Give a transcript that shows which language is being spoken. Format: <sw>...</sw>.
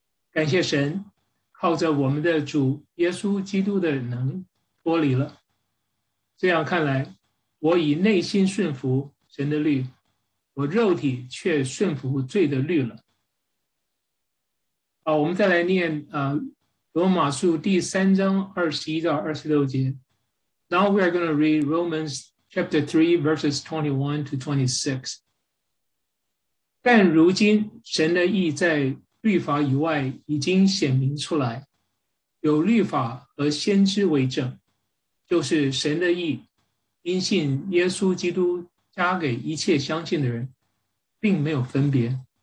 <zh>感谢神，靠着我们的主耶稣基督的能脱离了。这样看来，我以内心顺服神的律，我肉体却顺服罪的律了。好，我们再来念罗马书第三章二十一到二十六节。</zh> <en>Now we are going to read Romans chapter 3 verses 21 to 26.</en> <zh>但如今神的义在律法以外已经显明出来，有律法和先知为证，就是神的义，因信耶稣基督加给一切相信的人。并没有分别。</zh>